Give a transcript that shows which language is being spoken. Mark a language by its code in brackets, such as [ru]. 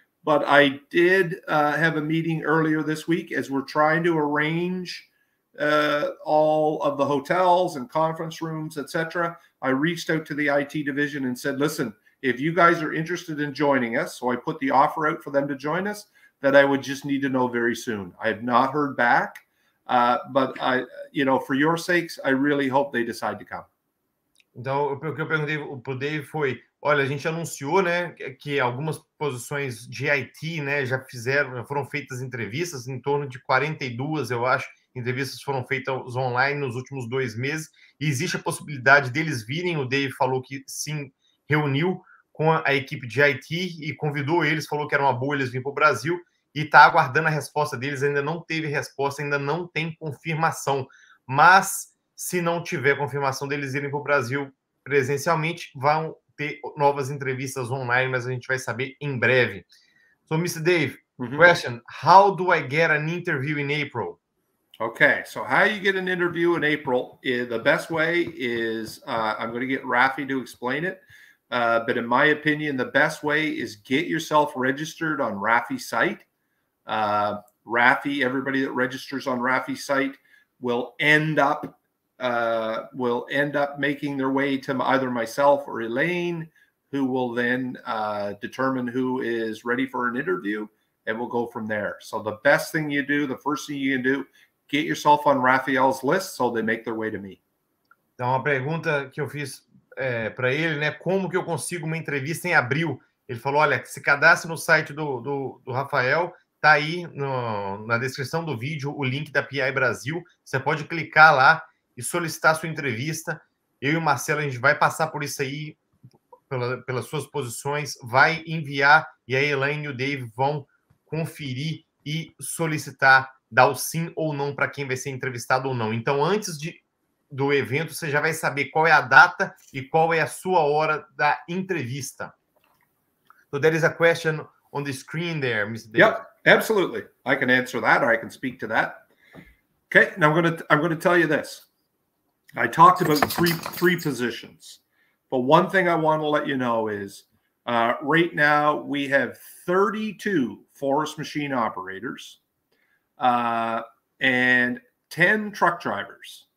[en] But I did have a meeting earlier this week as we're trying to arrange all of the hotels and conference rooms, etc. I reached out to the IT division and said, listen, if you guys are interested in joining us, so I put the offer out for them to join us, that I would just need to know very soon. I have not heard back, but I, you know, for your sakes, I really hope they decide to come. [pt] Então, o que eu perguntei para o Dave foi, olha, a gente anunciou, né, que algumas posições de IT, né, já fizeram, foram feitas entrevistas, em torno de 42, eu acho, entrevistas foram feitas online nos últimos dois meses, e existe a possibilidade deles virem, o Dave falou que sim, reuniu com a equipe de IT e convidou eles, falou que era uma boa eles virem para o Brasil, e está aguardando a resposta deles, ainda não teve resposta, ainda não tem confirmação, mas... Se não tiver confirmação deles irem para o Brasil presencialmente, vão ter novas entrevistas online, mas a gente vai saber em breve. [en] So, Mr. Dave, question, how do I get an interview in April? Okay, so how you get an interview in April, the best way is, I'm going to get Rafi to explain it, but in my opinion, the best way is get yourself registered on Rafi's site. Rafi, everybody that registers on Rafi's site will end up making their way to either myself or Elaine, who will then determine who is ready for an interview, and we'll go from there. So the best thing you do, the first thing you can do, get yourself on Rafael's list so they make their way to me. [pt] Então, uma pergunta que eu fiz para ele, né? Como que eu consigo uma entrevista em abril? Ele falou, olha, se cadastre no site do Rafael, tá aí na descrição do vídeo o link da PI Brasil. Você pode clicar lá e solicitar sua entrevista. Eu e o Marcelo, a gente vai passar por isso aí, pelas suas posições, vai enviar, e a Elaine e o Dave vão conferir e solicitar, dar o sim ou não para quem vai ser entrevistado ou não. Então, antes do evento, você já vai saber qual é a data e qual é a sua hora da entrevista. [en] So there is a question on the screen there, Mr. Dave. Yep, absolutely. I can answer that or I can speak to that. Okay, now I'm going to tell you this. I talked about three positions, but one thing I want to let you know is right now we have 32 forest machine operators and 10 truck drivers.